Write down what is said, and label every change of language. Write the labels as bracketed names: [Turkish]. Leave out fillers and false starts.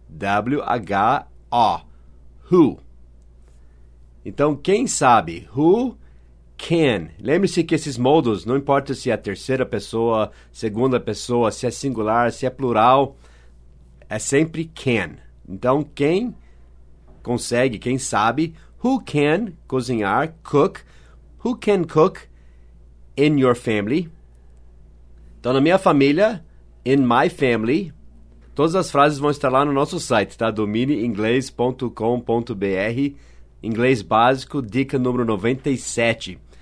[English] W-H-O. Who. [Portuguese] Então, quem sabe? [English] Who can? [Portuguese] Lembre-se que esses modos, não importa se é a terceira pessoa, segunda pessoa, se é singular, se é plural, é sempre can. Então, quem consegue, quem sabe? [English] Who can [Portuguese] cozinhar, [English] cook? Who can cook in your family? [Portuguese] Então, na minha família, [English] in my family, [Portuguese] todas as frases vão estar lá no nosso site, tá? DominiInglês.com.br, inglês básico, dica número 97.